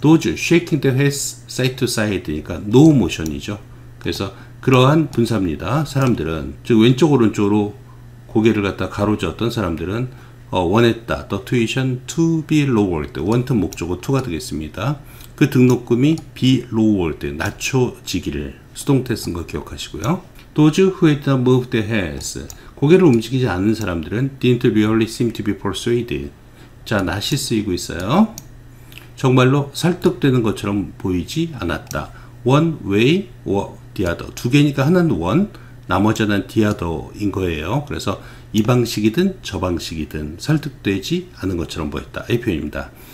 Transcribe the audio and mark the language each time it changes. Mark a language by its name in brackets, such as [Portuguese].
[English] those shaking their heads side to side니까 no motion이죠. [Korean] 그래서 그러한 분사입니다. 사람들은, 즉 왼쪽 오른쪽으로 고개를 갖다 가로저었던 사람들은 원했다. [English] the tuition to be lowered, want 목적어 to가 [Korean] 되겠습니다. 그 등록금이 [English] be lowered, [Korean] 낮춰지기를, 수동태 쓴 거 기억하시고요. [English] Those who had not moved their heads, [Korean] 고개를 움직이지 않은 사람들은 [English] didn't really seem to be persuaded. [Korean] 자, not이 쓰이고 있어요. 정말로 설득되는 것처럼 보이지 않았다. [English] One way or the other, [Korean] 두 개니까 하나는 [English] one, [Korean] 나머지 하나는 [English] the other인 거예요. [Korean] 그래서 이 방식이든 저 방식이든 설득되지 않은 것처럼 보였다, 이 표현입니다.